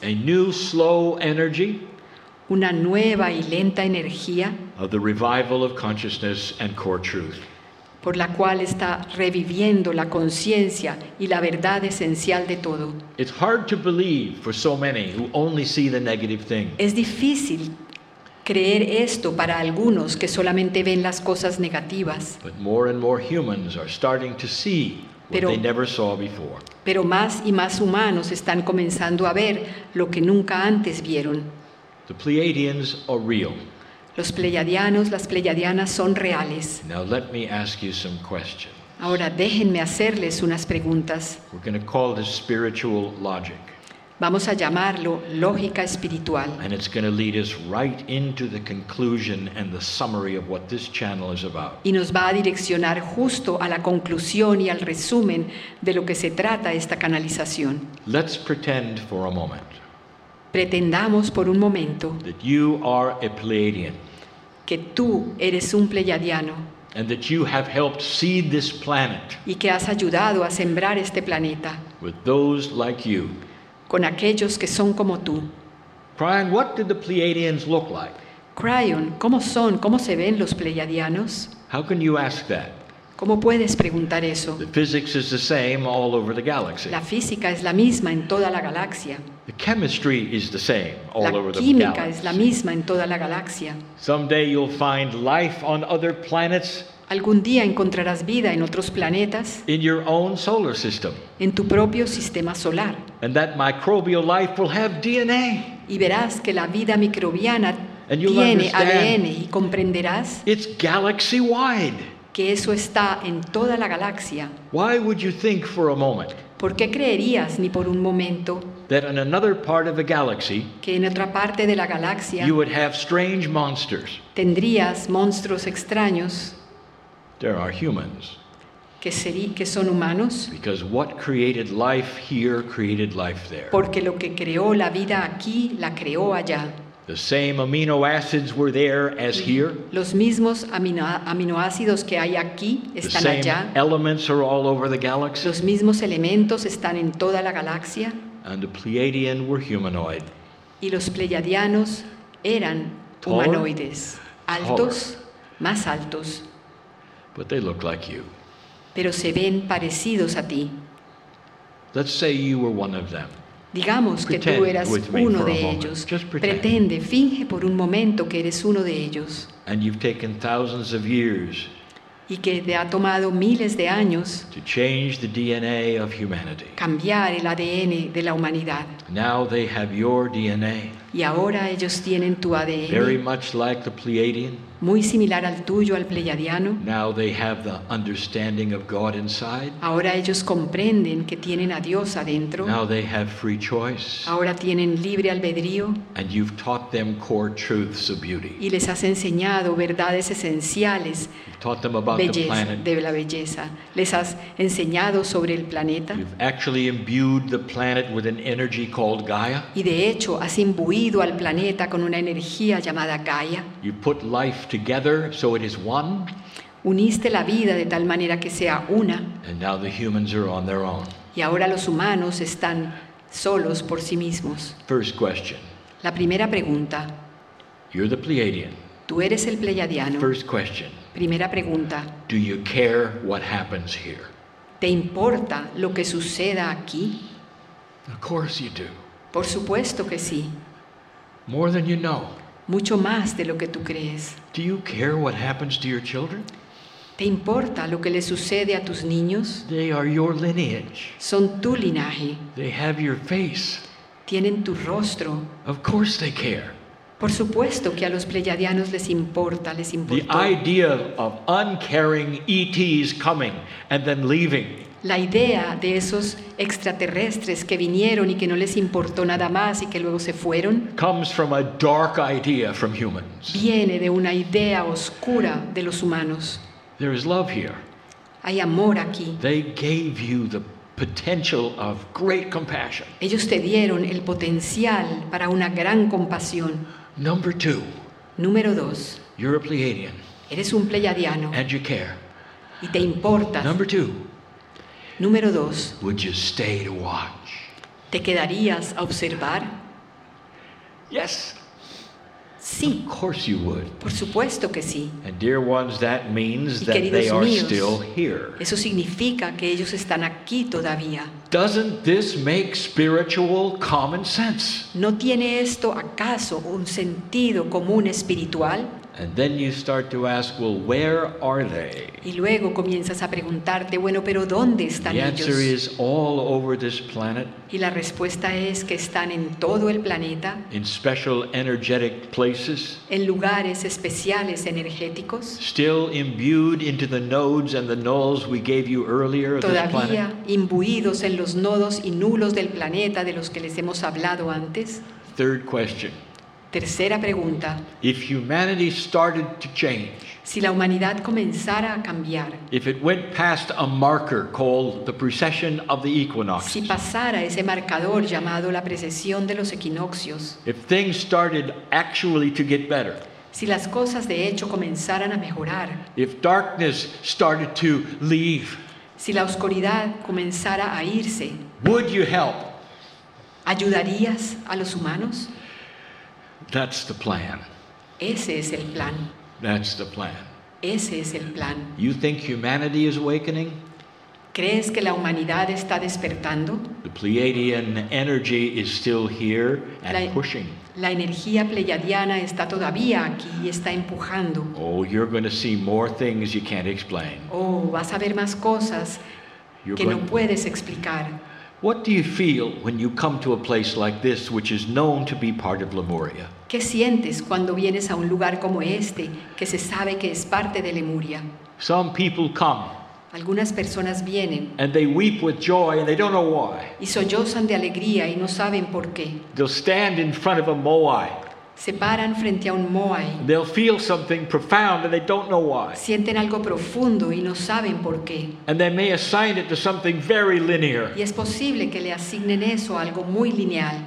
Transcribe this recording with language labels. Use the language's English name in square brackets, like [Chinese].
[English] A new slow energy. [Spanish] Una nueva y lenta energía. [English] Of the revival of consciousness and core truth. [Spanish] Por la cual está reviviendo la conciencia y la verdad esencial de todo. [English] It's hard to believe for so many who only see the negative thing. [Spanish] Es difícil creer esto para algunos que solamente ven las cosas negativas. [English] But more and more humans are starting to see what they never saw before. [Spanish] Pero más y más humanos están comenzando a ver lo que nunca antes vieron. [English] The Pleiadians are real. [Spanish] Los pleiadianos, las pleiadianas son reales. [English] Now let me ask you some questions. [Spanish] Ahora déjenme hacerles unas preguntas. [English] We're going to call this spiritual logic. [Spanish] Vamos a llamarlo lógica espiritual. [English] And it's going to lead us right into the conclusion and the summary of what this channel is about. [Spanish] Y nos va a direccionar justo a la conclusión y al resumen de lo que se trata esta canalización. [English] Let's pretend for a moment. [Spanish] Pretendamos por un momento. [English] That you are a Pleiadian. [Spanish] Que tú eres un pleiadiano. [English] And that you have helped seed this planet. [Spanish] Y que has ayudado a sembrar este planeta. [English] With those like you. [Spanish] Con aquellos que son como tú. [English] Cryon, what did the Pleiadians look like? [Spanish] Cryon, ¿cómo son? ¿Cómo se ven los pleiadianos? [English] How can you ask that? [Spanish] ¿Cómo puedes preguntar eso? [English] The physics is the same all over the galaxy. [Spanish] La física es la misma en toda la galaxia. [English] The chemistry is the same all over the galaxy. [Spanish] La química es la misma en toda la galaxia. [English] Someday you'll find life on other planets. [Spanish] Algún día encontrarás vida en otros planetas. [English] In your own solar system. [Spanish] En tu propio sistema solar. [English] And that microbial life will have DNA. [Spanish] Y verás que la vida microbiana tiene ADN y comprenderás. [English] It's galaxy wide. [Spanish] Que eso está en toda la galaxia. [English] Why would you think for a moment? [Spanish] ¿Por qué creerías ni por un momento? [English] That in another part of the galaxy, [Spanish] que en otra parte de la galaxia, [English] you would have strange monsters. [Spanish] Tendrías monstruos extraños. [English] There are humans. [Spanish] Que son humanos. [English] Because what created life here created life there. [Spanish] Porque lo que creó la vida aquí la creó allá. [English] The same amino acids were there as here. [Spanish] Los mismos aminoácidos que hay aquí están allá. [English] The same elements are all over the galaxy. [Spanish] Los mismos elementos están en toda la galaxia. [English] And the Pleiadian were humanoid. [Spanish] Y los pleiadianos eran humanoides, altos, más altos. [English] But they look like you. [Spanish] Pero se ven parecidos a ti. [English] Let's say you were one of them. [Spanish] Digamos que tú eras uno de ellos. Pretende, finge por un momento que eres uno de ellos. [English] And you've taken thousands of years. [Spanish] Y que te ha tomado miles de años. [English] To change the DNA of humanity. [Spanish] Cambiar el ADN de la humanidad. [English] Now they have your DNA. [Spanish] Y ahora ellos tienen tu ADN. [English] Very much like the Pleiadian. [Spanish] Muy similar al tuyo, al pleiadiano. [English] Now they have the understanding of God inside. [Spanish] Ahora ellos comprenden que tienen a Dios adentro. [English] Now they have free choice. [Spanish] Ahora tienen libre albedrío. [English] And you've taught them core truths of beauty. [Spanish] Y les has enseñado verdades esenciales. [English] You've taught them about [Spanish] belleza, [English] the planet. [Spanish] De la belleza. Les has enseñado sobre el planeta. [English] You've actually imbued the planet with an energy called Gaia. [Spanish] Y de hecho has imbuido al planeta con una energía llamada Gaia. [English] You put life together so it is one. [Spanish] Uniste la vida de tal manera que sea una. [English] And now the humans are on their own. [Spanish] Y ahora los humanos están solos por sí mismos. [English] First question. [Spanish] La primera pregunta. [English] You're the Pleiadian. [Spanish] Tú eres el pleiadiano. [English] First question. [Spanish] Primera pregunta. [English] Do you care what happens here? [Spanish] ¿Te importa lo que suceda aquí? [English] Of course you do. [Spanish] Por supuesto que sí. [English] More than you know. [Spanish] Mucho más de lo que tú crees. [English] Do you care what happens to your children? [Spanish] ¿Te importa lo que le sucede a tus niños? [English] They are your lineage. [Spanish] Son tu linaje. [English] They have your face. [Spanish] Tienen tu rostro. [English] Of course they care. [Spanish] Por supuesto que a los pleiadianos les importa, les importó. [English] The idea of uncaring ETs coming and then leaving. [Spanish] La idea de esos extraterrestres que vinieron y que no les importó nada más y que luego se fueron [English] comes from a dark idea from humans. [Spanish] Viene de una idea oscura de los humanos. [English] There is love here. [Spanish] Hay amor aquí. [English] They gave you the potential of great compassion. [Spanish] Ellos te dieron el potencial para una gran compasión. [English] Number two. [Spanish] Número dos. [English] You're a Pleiadian. [Spanish] Eres un pleiadiano. [English] And you care. [Spanish] Y te importas. [English] Number two. [Spanish] Número dos. [English] Would you stay to watch? [Spanish] ¿Te quedarías a observar? [English] Yes. [Spanish] Sí. [English] Of course you would. [Spanish] Por supuesto que sí. [English] And dear ones, that means [Spanish] y [English] that they are [Spanish] míos, [English] still here. [Spanish] Eso significa que ellos están aquí todavía. [English] Doesn't this make spiritual common sense? [Spanish] ¿No tiene esto acaso un sentido común espiritual? [English] And then you start to ask, well, where are they? [Spanish] Y luego comienzas a preguntarte, bueno, pero ¿dónde están ellos? [English] The answer is all over this planet. [Spanish] Y la respuesta es que están en todo el planeta. [English] In special energetic places. [Spanish] En lugares especiales energéticos. [English] Still imbued into the nodes and the nulls we gave you earlier of this planet. [Spanish] Todavía imbuidos en los nodos y nulos del planeta de los que les hemos hablado antes. [English] Third question. [Spanish] Tercera pregunta. [English] If humanity started to change, [Spanish] si la humanidad comenzara a cambiar, [English] if it went past a marker called the precession of the equinox, [Spanish] si pasara ese marcador llamado la precesión de los equinoccios, [English] if things started actually to get better, [Spanish] si las cosas de hecho comenzaran a mejorar, [English] if darkness started to leave, [Spanish] si la oscuridad comenzara a irse, [English] would you help? [Spanish] ¿Ayudarías a los humanos? [English] That's the plan. [Spanish] Ese es el plan. [English] That's the plan. [Spanish] Ese es el plan. [English] You think humanity is awakening? [Spanish] ¿Crees que la humanidad está despertando? [English] The Pleiadian energy is still here and pushing. [Spanish] La energía pleiadiana está todavía aquí y está empujando. [English] Oh, you're going to see more things you can't explain. [Spanish] Oh, vas a ver más cosas que no puedes explicar. [English] What do you feel when you come to a place like this, which is known to be part of Lemuria? [Spanish] ¿Qué sientes cuando vienes a un lugar como este, que se sabe que es parte de Lemuria? [English] Some people come. [Spanish] Algunas personas vienen. [English] And they weep with joy, and they don't know why. [Spanish] Y sollozan de alegría y no saben por qué. [English] They'll stand in front of a moai. [Spanish] Se paran frente a un moai. [English] They'll feel something profound and they don't know why. [Spanish] Sienten algo profundo y no saben por qué. [English] And they may assign it to something very linear. [Spanish] Y es posible que le asignen eso a algo muy lineal.